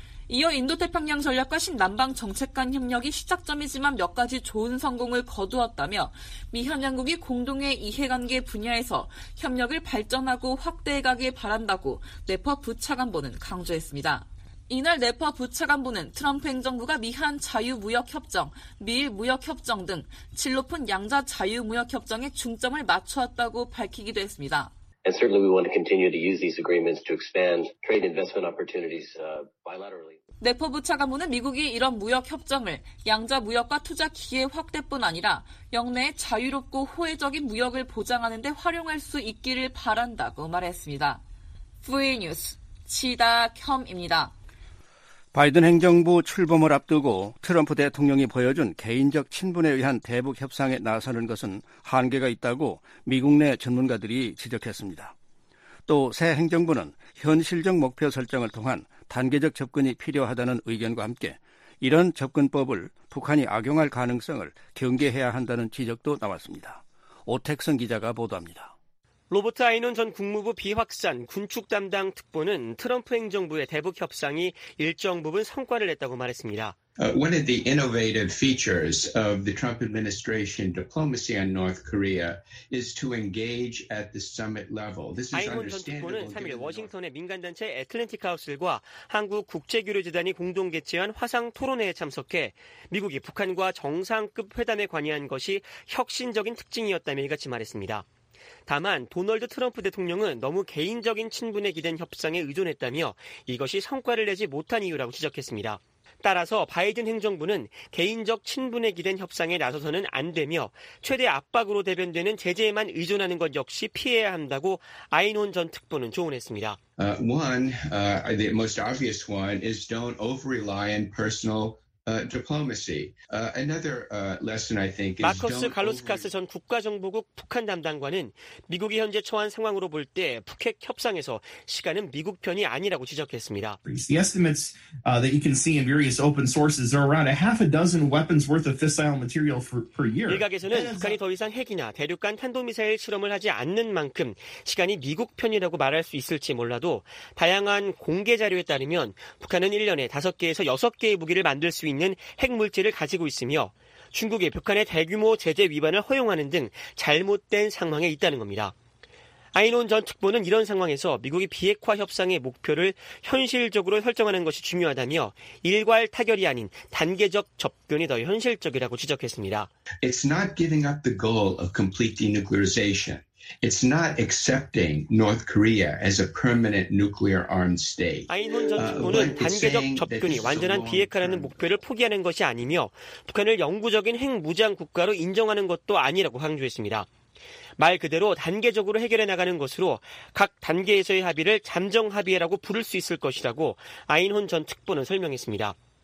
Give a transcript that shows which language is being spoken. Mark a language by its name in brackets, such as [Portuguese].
[Korean] 이어 인도태평양 전략과 신남방 정책 간 협력이 시작점이지만 몇 가지 좋은 성공을 거두었다며 미한 양국이 공동의 이해관계 분야에서 협력을 발전하고 확대해가길 바란다고 네퍼 부차관보는 강조했습니다. 이날 네퍼 부차관보는 트럼프 행정부가 미한 자유무역협정, 미일무역협정 등 질 높은 양자 자유무역협정에 중점을 맞추었다고 밝히기도 했습니다. [English] And certainly we want to continue to use these agreements to expand trade investment opportunities bilaterally. [Korean] 네퍼 부차관보는 미국이 이런 무역협정을 양자 무역과 투자 기회 확대뿐 아니라 역내의 자유롭고 호혜적인 무역을 보장하는 데 활용할 수 있기를 바란다고 말했습니다. VOA 뉴스 지다겸입니다. 바이든 행정부 출범을 앞두고 트럼프 대통령이 보여준 개인적 친분에 의한 대북 협상에 나서는 것은 한계가 있다고 미국 내 전문가들이 지적했습니다. 또 새 행정부는 현실적 목표 설정을 통한 단계적 접근이 필요하다는 의견과 함께 이런 접근법을 북한이 악용할 가능성을 경계해야 한다는 지적도 나왔습니다. 오택성 기자가 보도합니다. 로버트 아이논 전 국무부 비확산 군축 담당 특보는 트럼프 행정부의 대북 협상이 일정 부분 성과를 냈다고 말했습니다. [English] One of the innovative features of the Trump administration diplomacy on North Korea is to engage at the summit level. This is understandable. [Korean] 아이논 전 특보는 3일 워싱턴의 민간단체 애틀랜틱 하우스와 한국 국제교류재단이 공동 개최한 화상 토론회에 참석해 미국이 북한과 정상급 회담에 관여한 것이 혁신적인 특징이었다며 이같이 말했습니다. 다만 도널드 트럼프 대통령은 너무 개인적인 친분에 기댄 협상에 의존했다며 이것이 성과를 내지 못한 이유라고 지적했습니다. 따라서 바이든 행정부는 개인적 친분에 기댄 협상에 나서서는 안 되며 최대 압박으로 대변되는 제재에만 의존하는 것 역시 피해야 한다고 아이논 전 특보는 조언했습니다. [English] The most obvious one is don't over-rely on personal diplomacy. Another lesson I think is [Korean] 마커스 갈로스카스 전 국가정보국 북한 담당관은 미국이 현재 처한 상황으로 볼 때 북핵 협상에서 시간은 미국 편이 아니라고 지적했습니다. [English] The estimates that you can see in various open sources are around a half a dozen weapons worth of fissile material per year. [Korean] 일각에서는 북한이 더 이상 핵이나 대륙간 탄도미사일 실험을 하지 않는 만큼 시간이 미국 편이라고 말할 수 있을지 몰라도 다양한 공개 자료에 따르면 북한은 1년에 5개에서 6개의 무기를 만들 수 있는 핵물질을 가지고 있으며 중국이 북한의 대규모 제재 위반을 허용하는 등 잘못된 상황에 있다는 겁니다. 아이논 전 특보는 이런 상황에서 미국이 비핵화 협상의 목표를 현실적으로 설정하는 것이 중요하다며 일괄 타결이 아닌 단계적 접근이 더 현실적이라고 지적했습니다. [English] It's not giving up the goal of complete denuclearization. It's not accepting North Korea as a permanent nuclear armed state. [Korean] 아이논 전 특보는 단계적 접근이 완전한 비핵화라는 목표를 포기하는 것이 아니며 북한을 영구적인 핵무장 국가로 인정하는 것도 아니라고 강조했습니다. 말 그대로 단계적으로 해결해 나가는 것으로 각 단계에서의 합의를 잠정 합의라고 부를 수 있을 것이라고 아인혼 전 특보는 설명했습니다.